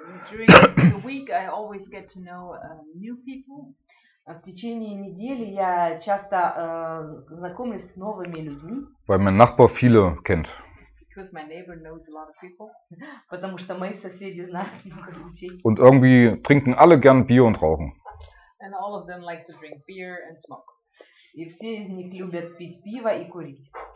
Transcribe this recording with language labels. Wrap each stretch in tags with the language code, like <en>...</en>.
<en>During the week I always get to know new people.</en> <ru>В течение недели я часто знакомлюсь с новыми людьми.</ru> <de>Weil mein Nachbar viele kennt.</de> <en>Because my neighbor knows a lot of people.</en> <ru>Потому что мои соседи знают много людей.</ru> <de>Und irgendwie trinken alle gern Bier und rauchen.</de> <en>And all of them like to drink beer and smoke.</en> <ru>И все из них любят пить пиво и курить.</ru>